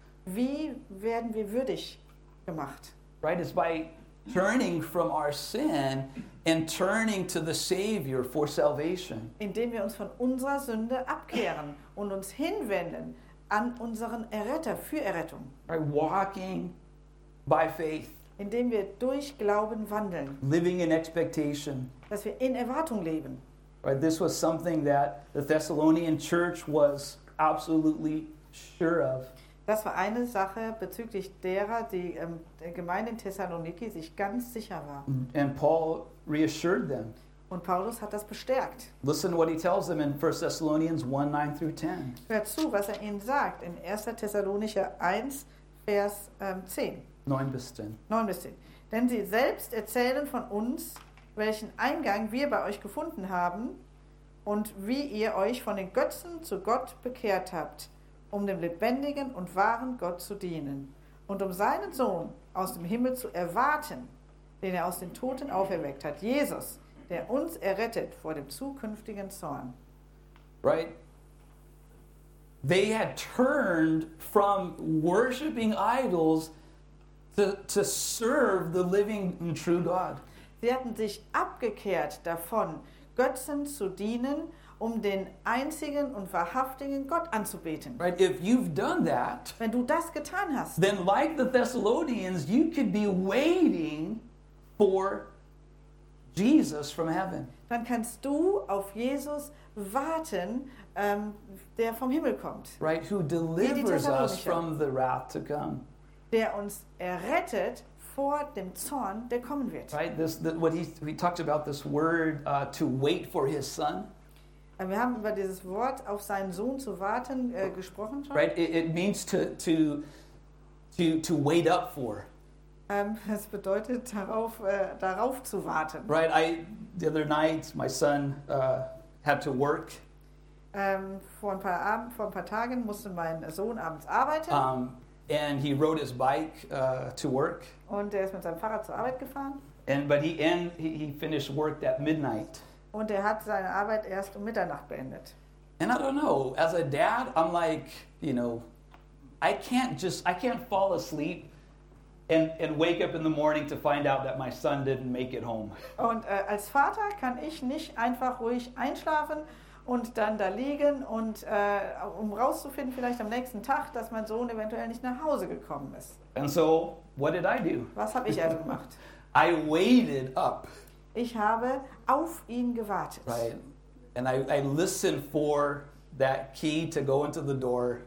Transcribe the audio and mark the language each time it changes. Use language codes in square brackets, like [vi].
[de] Wie werden wir würdig gemacht? [en] Right, it's by turning from our sin and turning to the Savior for salvation. [de] Indem wir uns von unserer Sünde abkehren und uns hinwenden an unseren Erretter für Errettung. [en] By walking by faith. [de] Indem wir durch Glauben wandeln. [en] Living in expectation. [de] Dass wir in Erwartung leben. [en] Right, this was something that the Thessalonian church was absolutely sure of. [de] Das war eine Sache bezüglich derer, die der Gemeinde in Thessaloniki sich ganz sicher war. [en] And Paul reassured them. [de] Und Paulus hat das bestärkt. [en] Listen to what he tells them in 1 Thessalonians 1, 9 through 10. [de] Hört zu, was er ihnen sagt in 1. Thessalonicher 1, Vers 10. 9 bis 10. 9 bis 10. Denn sie selbst erzählen von uns, welchen Eingang wir bei euch gefunden haben und wie ihr euch von den Götzen zu Gott bekehrt habt, um dem lebendigen und wahren Gott zu dienen und um seinen Sohn aus dem Himmel zu erwarten, den er aus den Toten auferweckt hat, Jesus, der uns errettet vor dem zukünftigen Zorn. [en] Right? They had turned from worshiping idols to serve the living and true God. [de] Sie hatten sich abgekehrt davon, Götzen zu dienen, um den einzigen und wahrhaftigen Gott anzubeten. [en] Right, if you've done that, [de] wenn du das getan hast, [en] then like the Thessalonians, you could be waiting for Jesus from heaven. [de] Dann kannst du auf Jesus warten, der vom Himmel kommt. [en] Right, who delivers us from the wrath to come. [de] Der uns errettet vor dem Zorn, der kommen wird. [en] Right, we talked about this word to wait for his son. [de] Wir haben über dieses Wort auf seinen Sohn zu warten gesprochen schon. [en] Right, it means to wait up for. [de] Es bedeutet darauf zu warten. [en] Right, the other night my son had to work. [de] Vor ein paar Tagen musste mein Sohn abends arbeiten. [en] And he rode his bike to work. [de] Und er ist mit seinem Fahrrad zur Arbeit gefahren. [en] But he finished work at midnight. [de] Und er hat seine Arbeit erst um Mitternacht beendet. [en] And I don't know, as a dad, I'm like, you know, I can't fall asleep and wake up in the morning to find out that my son didn't make it home. [de] Und als Vater kann ich nicht einfach ruhig einschlafen und dann da liegen und um rauszufinden vielleicht am nächsten Tag, dass mein Sohn eventuell nicht nach Hause gekommen ist. [en] And so, what did I do? [de] Was habe ich also gemacht? [en] I waited up. [de] Ich habe auf ihn gewartet. [en] Right. And I listened for that key to go into the door.